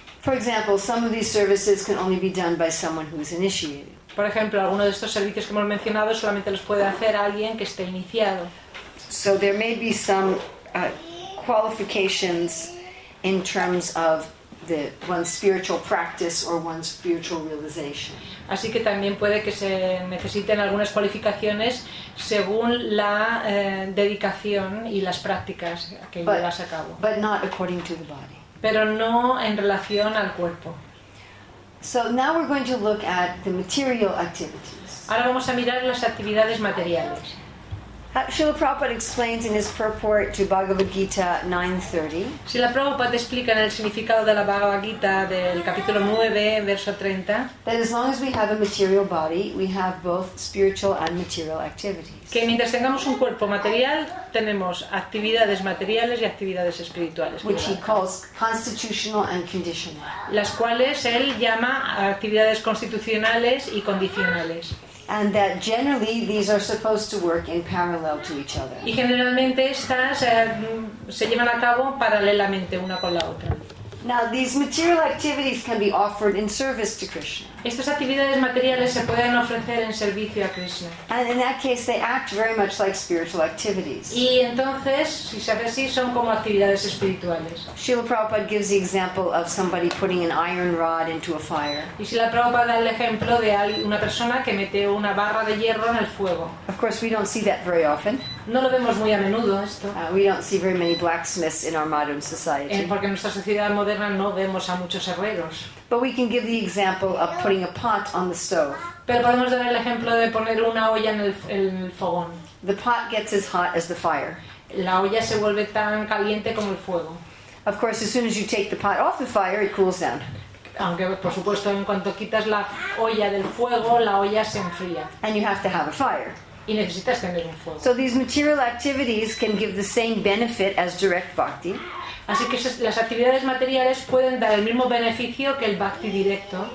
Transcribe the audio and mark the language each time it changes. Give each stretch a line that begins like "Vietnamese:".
English: For example, some of these services can only be done by someone who is initiated.
Spanish: Por ejemplo, alguno de estos servicios que hemos mencionado solamente los puede hacer alguien que esté iniciado.
English: So there may be some qualifications in terms of the one's spiritual practice or one's spiritual realization.
Spanish: Así que también puede que se necesiten algunas cualificaciones según la dedicación y las prácticas que llevas a cabo.
English: But not according to the body.
Spanish: Pero no en relación al cuerpo.
English: So now we're going to look at the material activities.
Spanish: Ahora vamos a mirar las actividades materiales.
English: Srila Prabhupada explains in his purport to Bhagavad Gita 9:30.
Spanish: Srila Prabhupada explica en el significado de la Bhagavad Gita del capítulo 9, verso 30.
English: That as long as we have a material body, we have both spiritual and material activities.
Spanish: Que mientras tengamos un cuerpo material, tenemos actividades materiales y actividades espirituales.
English: Which he calls constitutional and conditional.
Spanish: Las cuales él llama actividades constitucionales y condicionales.
English: And that generally these are supposed to work in parallel to each other.
Spanish: Y generalmente estas se llevan a cabo paralelamente una con la otra.
English: Now these material activities can be offered in service to Krishna.
Spanish: Estas actividades materiales se pueden ofrecer en servicio a Krishna.
English: And in that case they act very much like spiritual activities.
Spanish: Y entonces, si se hace así, son como actividades espirituales.
English: Srila Prabhupada gives the example of somebody putting an iron rod into a fire.
Spanish: Y Srila Prabhupada da el ejemplo de una persona que mete una barra de hierro en el fuego.
English: Of course we don't see that very often.
Spanish: No lo vemos muy a menudo esto.
English: We don't see very many blacksmiths in our modern society.
Spanish: Porque en nuestra sociedad moderna no vemos a muchos herreros.
English: But we can give the example of putting a pot on the stove.
Spanish: Pero podemos dar el ejemplo de poner una olla en el fogón.
English: The pot gets as hot as the fire.
Spanish: La olla se vuelve tan caliente como el fuego.
English: Of course, as soon as you take the pot off the fire, it cools down.
Spanish: Aunque, por supuesto, en cuanto quitas la olla del fuego, la olla se enfría.
English: And you have to have a fire.
Spanish: Y necesitas tener un fuego.
English: So these material activities can give the same benefit as direct bhakti.
Spanish: Así que las actividades materiales pueden dar el mismo beneficio que el bhakti directo.